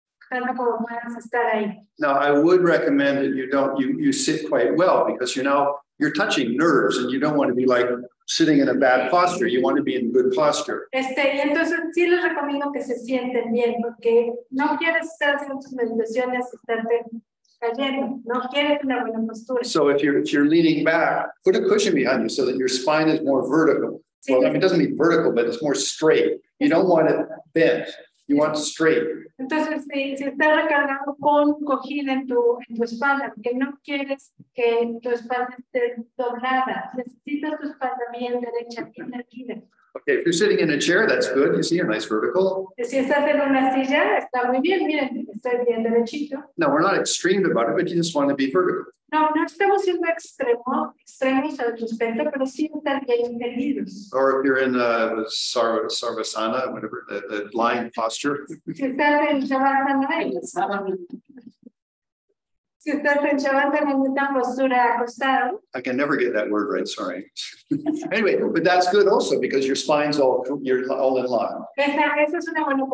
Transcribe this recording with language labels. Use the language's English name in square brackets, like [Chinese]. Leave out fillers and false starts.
[English] Now I would recommend that you sit quite well, because you're touching nerves and you don't want to be like sitting in a bad posture. You want to be in good posture. [Spanish] Entonces sí les recomiendo que se sienten bien, porque no quieres estar haciendo tus meditaciones estarte cayendo. No quieres una buena postura. [English] So if you're leaning back, put a cushion behind you so that your spine is more vertical. Sí, well, I mean, it doesn't mean vertical, but it's more straight. You don't want it bent. You want it straight. [Spanish] Entonces si estás recargando con cojín en tu espalda, porque no quieres que tu espalda esté doblada, necesitas tu espalda bien derecha, bien erguida. [English] Okay, if you're sitting in a chair, that's good. You see a nice vertical. [Spanish] Si estás en una silla, está muy bien. Miren, estoy bien derechito. [English] No, we're not extreme about it, but you just want to be vertical. [Spanish] No estamos siendo extremos al respecto, pero sí estar bien erguidos. [English] Or if you're in Sarvasana, whatever, the lying posture. [Spanish] Si estás en [English] I can never get that word right, sorry. Anyway, but that's good also, because your spine's all in line.